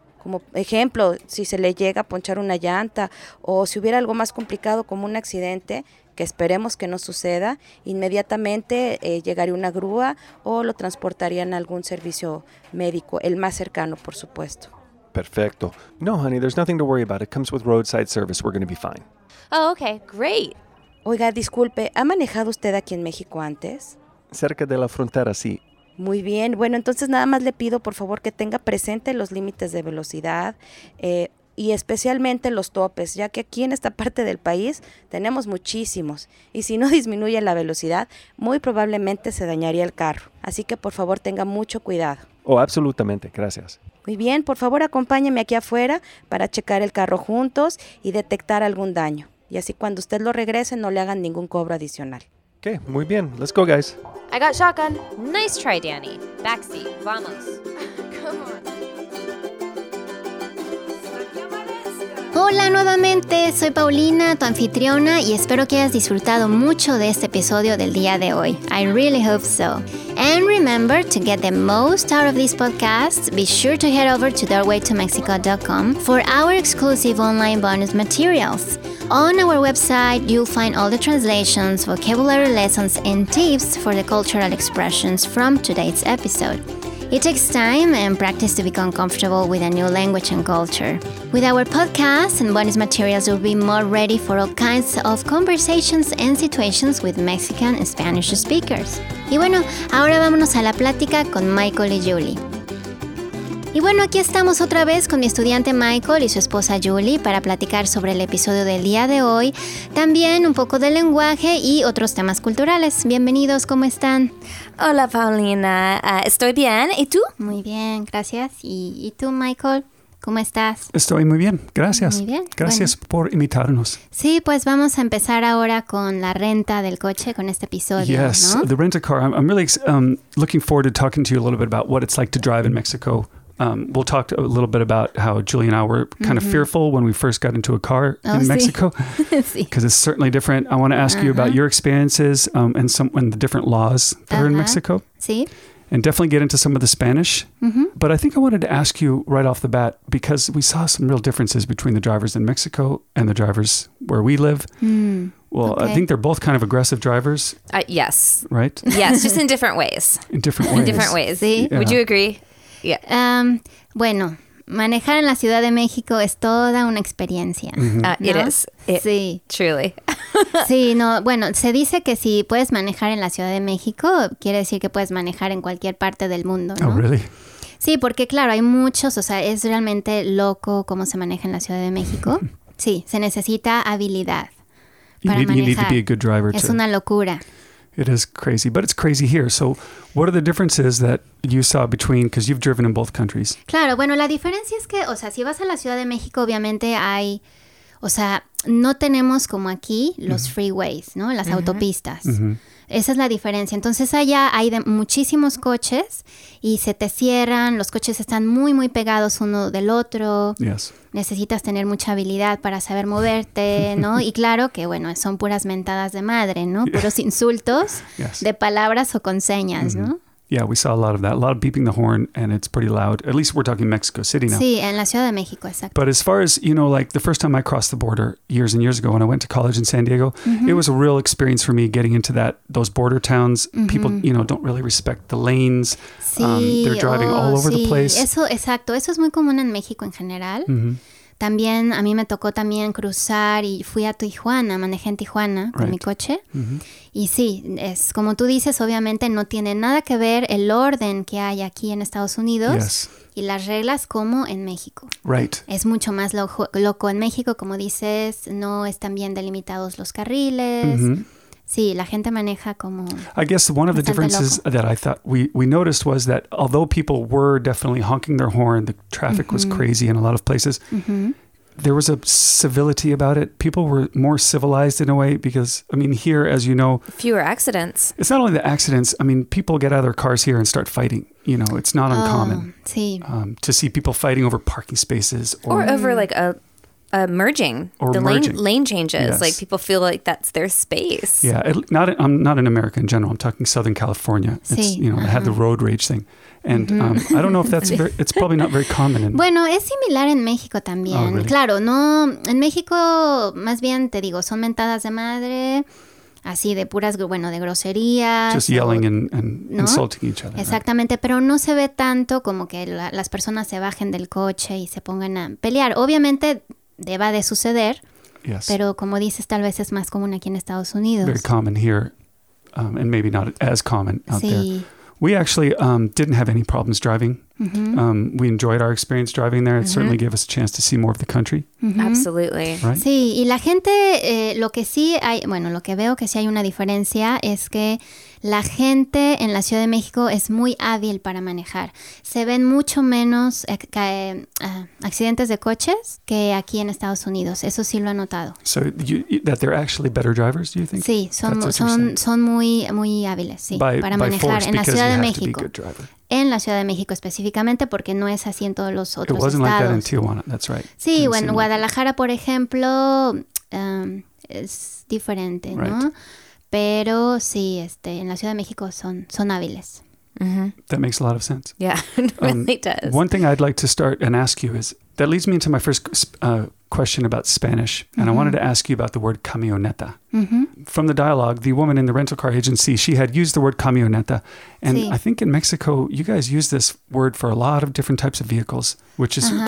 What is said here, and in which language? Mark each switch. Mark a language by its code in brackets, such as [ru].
[es] Como ejemplo, si se le llega a ponchar una llanta o si hubiera algo más complicado como un accidente, que esperemos que no suceda, inmediatamente llegaría una grúa o lo transportarían a algún servicio médico, el más cercano, por supuesto. Perfecto. [en] No, honey, there's nothing to worry about. It comes with roadside service. We're going to be fine. Oh, okay. Great. [es] Oiga, disculpe, ¿ha manejado usted aquí en México antes? Cerca de la frontera, sí. Muy bien. Bueno, entonces nada más le pido, por favor, que tenga presente los límites de velocidad y especialmente los topes, ya que aquí en esta parte del país tenemos muchísimos. Y si no disminuye la velocidad, muy probablemente se dañaría el carro. Así que, por favor, tenga mucho cuidado. Oh, absolutamente. Gracias. Muy bien. Por favor, acompáñeme aquí afuera para checar el carro juntos y detectar algún daño. Y así cuando usted lo regrese, no le hagan ningún cobro adicional. [en] Okay, [es] muy bien. [en] Let's go, guys. I got shotgun. Nice try, Danny. Backseat. [es] Vamos. [en] Come on. [es] Hola nuevamente, soy Paulina, tu anfitriona, y espero que hayas disfrutado mucho de este episodio del día de hoy. [en] I really hope so. And remember, to get the most out of this podcast, be sure to head over to doorwaytomexico.com for our exclusive online bonus materials. On our website, you'll find all the translations, vocabulary lessons, and tips for the cultural expressions from today's episode. It takes time and practice to become comfortable with a new language and culture. With our podcast and bonus materials, you'll be more ready for all kinds of conversations and situations with Mexican and Spanish speakers. [es] Y bueno, ahora vámonos a la plática con Michael y Julie. Y bueno, aquí estamos otra vez con mi estudiante Michael y su esposa Julie para platicar sobre el episodio del día de hoy, también un poco del lenguaje y otros temas culturales. Bienvenidos, ¿cómo están? Hola, Paulina. Estoy bien. ¿Y tú? Muy bien, gracias. ¿Y tú, Michael? ¿Cómo estás? Estoy muy bien, gracias. Muy bien. Gracias, bueno, por invitarnos. Sí, pues vamos a empezar ahora con la renta del coche, con este episodio. [en] Yes, [es] ¿no? [en] The rent a car. I'm really looking forward to talking to you a little bit about what it's like to drive in Mexico. We'll talk a little bit about how Julie and I were kind of fearful when we first got into a car in Mexico, because [es] sí. [en] It's certainly different. I want to ask you about your experiences and the different laws that are in Mexico, [es] sí. [en] And definitely get into some of the Spanish. Mm-hmm. But I think I wanted to ask you right off the bat, because we saw some real differences between the drivers in Mexico and the drivers where we live. Well, okay. I think they're both kind of aggressive drivers. Yes. Right? Yes, just in different ways. In different ways. In different ways. [es] Sí. [en] Yeah. Would you agree? Yeah. [es] Bueno, manejar en la Ciudad de México es toda una experiencia. [en] Mm-hmm. [es] ¿No? [en] It is. It, [es] sí. [en] Truly. [es] Sí, no, bueno, se dice que si puedes manejar en la Ciudad de México, quiere decir que puedes manejar en cualquier parte del mundo, ¿no? [en] Oh, really? [es] Sí, porque claro, hay muchos, o sea, es realmente loco cómo se maneja en la Ciudad de México. Sí, se necesita habilidad para manejar. [en] You need to be a good driver, [es] es una locura. [en] It is crazy, but it's crazy here. So what are the differences that you saw between, because you've driven in both countries? [es] Claro, bueno, la diferencia es que, o sea, si vas a la Ciudad de México, obviamente hay, o sea, no tenemos como aquí los freeways, ¿no? Las autopistas. Esa es la diferencia. Entonces allá hay muchísimos coches y se te cierran, los coches están muy, muy pegados uno del otro. [en] Yes. [es] Necesitas tener mucha habilidad para saber moverte, ¿no? Y claro que, bueno, son puras mentadas de madre, ¿no? Puros insultos de palabras o con señas, ¿no? [en] Yeah, we saw a lot of that. A lot of beeping the horn, and it's pretty loud. At least we're talking Mexico City now. [es] Sí, en la Ciudad de México, exacto. [en] But as far as, you know, like the first time I crossed the border years and years ago when I went to college in San Diego, it was a real experience for me getting into that, those border towns. People, you know, don't really respect the lanes. They're driving all over the place. [es] Sí, eso, exacto. Eso es muy común en México en general. También, a mí me tocó también cruzar y fui a Tijuana, manejé en Tijuana con mi coche. Y sí, es como tú dices, obviamente no tiene nada que ver el orden que hay aquí en Estados Unidos y las reglas como en México. Es mucho más loco en México, como dices, no están bien delimitados los carriles. Sí, la gente maneja como [en] I guess one of the differences [es] loco. [en] That I thought we noticed was that although people were definitely honking their horn, the traffic was crazy in a lot of places, there was a civility about it. People were more civilized in a way because, I mean, here, as you know, fewer accidents. It's not only the accidents. I mean, people get out of their cars here and start fighting. You know, it's not uncommon to see people fighting over parking spaces. Or over like a merging, lane changes. Yes. Like people feel like that's their space. Yeah. I'm not in America in general. I'm talking Southern California. [es] Sí. [en] It's, you know, uh-huh. I had the road rage thing. And I don't know if that's very, it's probably not very common. [es] Bueno, es similar en México también. [en] Oh, really? [es] Claro, no, en México, más bien, te digo, son mentadas de madre, así de puras, bueno, de groserías. [en] Just yelling and [es] ¿no? [en] insulting each other. [es] Exactamente, [en] right? [es] Pero no se ve tanto como que las personas se bajen del coche y se pongan a pelear. Obviamente, deba de suceder, [en] yes. [es] pero como dices, tal vez es más común aquí en Estados Unidos. [en] Very common here, and maybe not as common out [es] sí. [en] there. We actually didn't have any problems driving. Mm-hmm. We enjoyed our experience driving there. It mm-hmm. certainly gave us a chance to see more of the country. Mm-hmm. Absolutely. Right? [es] Sí, y la gente, lo que sí hay, bueno, lo que veo que sí hay una diferencia es que la gente en la Ciudad de México es muy hábil para manejar. Se ven mucho menos accidentes de coches que aquí en Estados Unidos. Eso sí lo he notado. [en] So, that they're actually better drivers, do you think? [es] Sí, son muy, muy hábiles, sí, para manejar en la Ciudad de México. En la Ciudad de México específicamente, porque no es así en todos los otros estados. [en] It wasn't like that in Tijuana, that's right. [es] Sí, en Guadalajara, por ejemplo, es diferente, [en] right. [es] ¿no? Pero sí, en la Ciudad de México son hábiles. Mm-hmm. [en] That makes a lot of sense. Yeah, it really does. One thing I'd like to start and ask you is, that leads me into my first question about Spanish, and mm-hmm. I wanted to ask you about the word camioneta. Mm-hmm. From the dialogue, the woman in the rental car agency, she had used the word camioneta, and [es] sí. [en] I think in Mexico, you guys use this word for a lot of different types of vehicles, which is uh-huh.